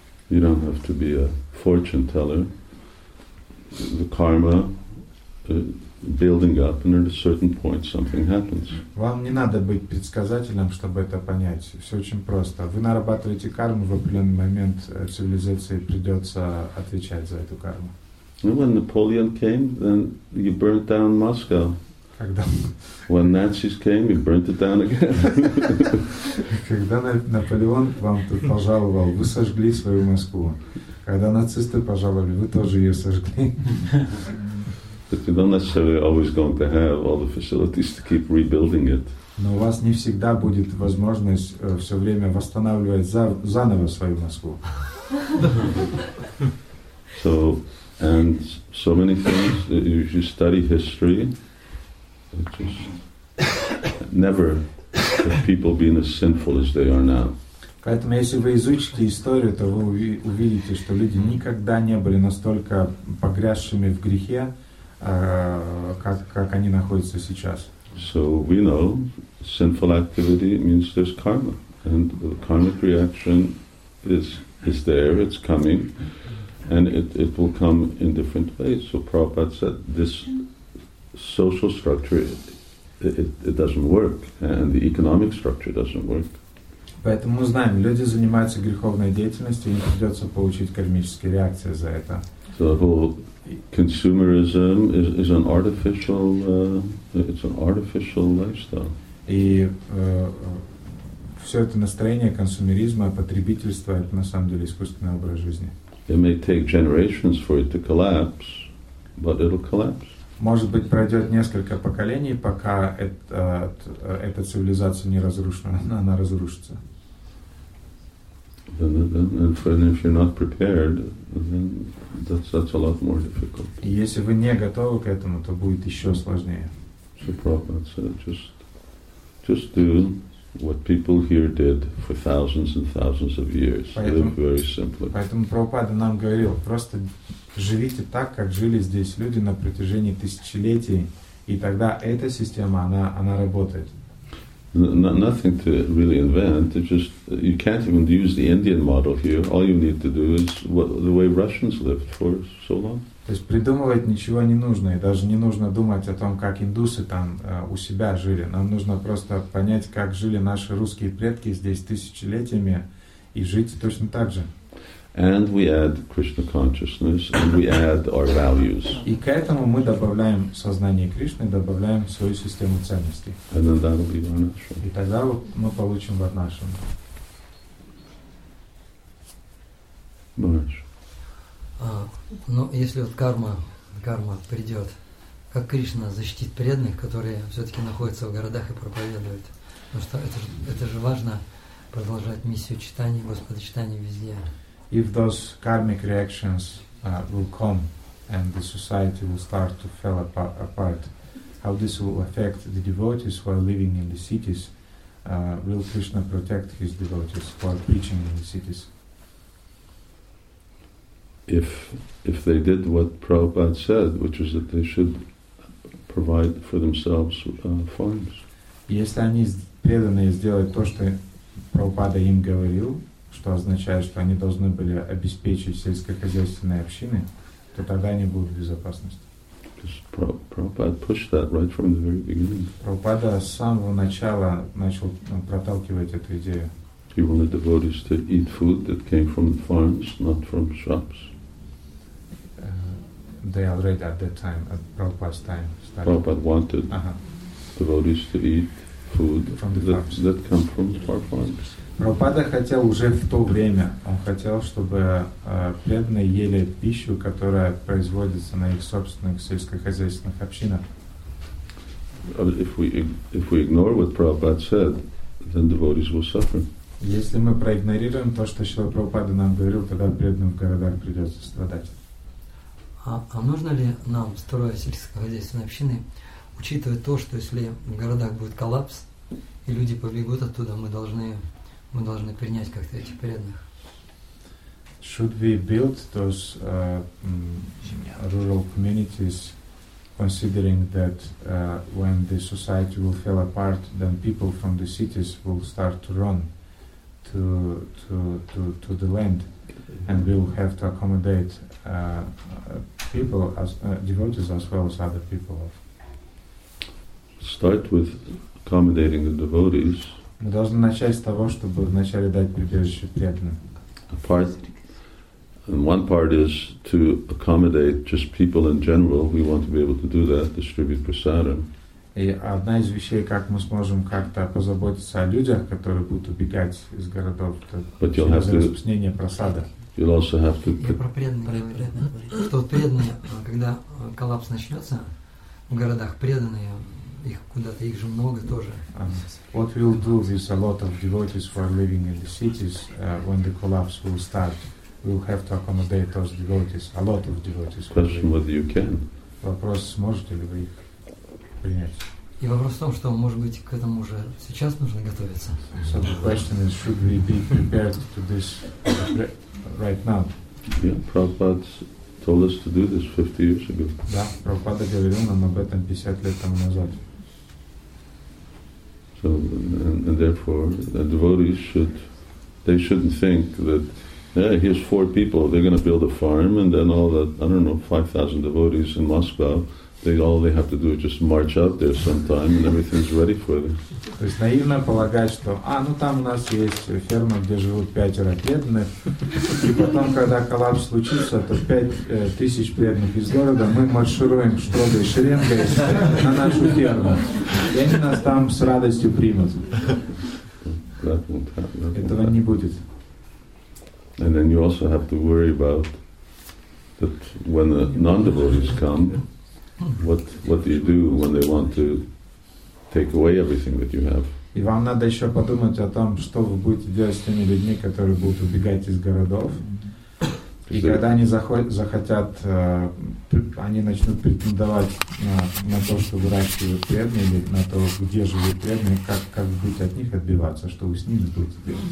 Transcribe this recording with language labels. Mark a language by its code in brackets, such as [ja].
[en] You don't have to be a fortune teller. The karma, building up, and at a certain point something happens. [ru] Вам не надо быть предсказателем, чтобы это понять. Все очень просто. Вы нарабатываете карму, в определенный момент цивилизации придется отвечать за эту карму. [en] And when Napoleon came, then you burnt down Moscow. [ru] Когда? [en] When Nazis came, you burnt it down again. [ru] Когда Наполеон вам тут пожаловал, вы сожгли свою Москву. Когда нацисты пожаловали, вы тоже ее сожгли. [en] But you're not necessarily always going to have all the facilities to keep rebuilding it. [ru] Но у вас не всегда будет возможность все время восстанавливать заново свою Москву. [en] So, and so many things. You should study history. Just never have people been as sinful as they are now. [ru] Поэтому, если вы изучите историю, то вы увидите, что люди никогда не были настолько погрязшими в грехе. Как они находятся сейчас. [en] So we know sinful activity means there's karma. And the karmic reaction is there, it's coming, and it will come in different ways. So Prabhupada said this social structure it doesn't work, and the economic structure doesn't work. [ru] Поэтому мы знаем, люди занимаются греховной деятельностью, им придется получить кармические реакции за это. [en] So the whole consumerism is an artificial lifestyle. [ru] И все это настроение консумеризма, потребительства, это на самом деле искусственный образ жизни. [en] It may take generations for it to collapse, but it'll collapse. [ru] Может быть, пройдет несколько поколений, пока эта цивилизация не разрушена, она разрушится. [en] And if you're not prepared, then that's a lot more difficult. [ru] Если вы не готовы к этому, то будет еще сложнее. [en] So Prabhupada said, just do what people here did for thousands and thousands of years. Live very simply. [ru] Поэтому Прабхупада нам говорил, просто живите так, как жили здесь люди на протяжении тысячелетий, и тогда эта система, она работает. [en] Nothing to really invent. It's just you can't even use the Indian model here. All you need to do is the way Russians lived for so long. [ru] То есть придумывать ничего не нужно, и даже не нужно думать о том, как индусы там у себя жили. Нам нужно просто понять, как жили наши русские предки здесь тысячелетиями, и жить точно так же. [en] And we add Krishna consciousness, and we add our values. [ru] И к этому мы добавляем сознание Кришны, добавляем свою систему ценностей. [en] And then that will be Varnashram. [ru] И тогда мы получим Варнашрам. Но если вот карма придет, как Кришна защитит преданных, которые все-таки находятся в городах и проповедуют? Потому что это же важно продолжать миссию читания, Господа читания везде. [en] If those karmic reactions will come and the society will start to fall apart, how this will affect the devotees who are living in the cities? Will Krishna protect his devotees who are preaching in the cities? If they did what Prabhupada said, which is that they should provide for themselves farms. [ru] Если они преданные сделают то, что Прабхупада им говорил, что означает, что они должны были обеспечить сельскохозяйственные общины, то тогда они будут в безопасности. [en] Prabhupada pushed that right from the very beginning. [ru] Prabhupada с самого начала начал проталкивать эту идею. [en] He wanted devotees to eat food that came from the farms, not from shops. They already at that time, at Prabhupada's time, started. Prabhupada wanted devotees to eat food from the farms. That come from the farms. [ru] Прабхупада хотел уже в то время, он хотел, чтобы преданные ели пищу, которая производится на их собственных сельскохозяйственных общинах. [en] If we ignore what Prabhupada said, then devotees will suffer. [ru] Если мы проигнорируем то, что Шрила Прабхупада нам говорил, тогда преданным в городах придется страдать. А нужно ли нам, строя сельскохозяйственные общины, учитывать то, что если в городах будет коллапс, и люди побегут оттуда, мы должны принять как-то этих преданных? [en] Should we build those rural communities considering that when the society will fall apart, then people from the cities will start to run to the land, and we will have to accommodate people as devotees as well as other people? Start with accommodating the devotees. [ru] Мы должны начать с того, чтобы вначале дать прибежище преданным. [en] One part is to accommodate just people in general. We want to be able to do that, distribute prasadam. [ru] И одна из вещей, как мы сможем как-то позаботиться о людях, которые будут убегать из городов, это распространение просады. [en] You'll also have to. [ru] Я про преданных говорю. Что преданные, когда коллапс начнется в городах, преданные. Их куда-то, их же много тоже. [en] What we'll do with a lot of devotees who are living in the cities, when the collapse will start, we'll have to accommodate those devotees, a lot of devotees. Question whether you can. [ru] Вопрос, сможете ли вы их принять? И вопрос в том, что, может быть, к этому уже сейчас нужно готовиться. [en] So the question is, should we be prepared to this right now? Yeah, Prabhupada told us to do this 50 years ago. [ru] Да, Прабхупада говорил нам об этом 50 лет тому назад. [en] So and therefore the devotees shouldn't think that here's four people, they're going to build a farm and then all that, I don't know, 5,000 devotees in Moscow, they have to do is just march out there sometime and everything's ready for them. [ru] То есть наивно полагать, что там у нас есть ферма, где живут пятеро преданных, и потом, когда коллапс случится, то 5,000 преданных из города, мы маршируем штрудой, шеренгой на нашу ферму, и они нас там с радостью примут. Этого не будет. [en] And then you also have to worry about that when the non-devotees come, what do you do when they want to take away everything that you have. [ru] И вам надо еще подумать о том, что вы будете делать с теми людьми, которые будут убегать из городов. И когда они захотят, они начнут претендовать на то, что выращивают преданные, или на то, где живут преданные, как вы будете от них отбиваться, что вы с ними будете делать.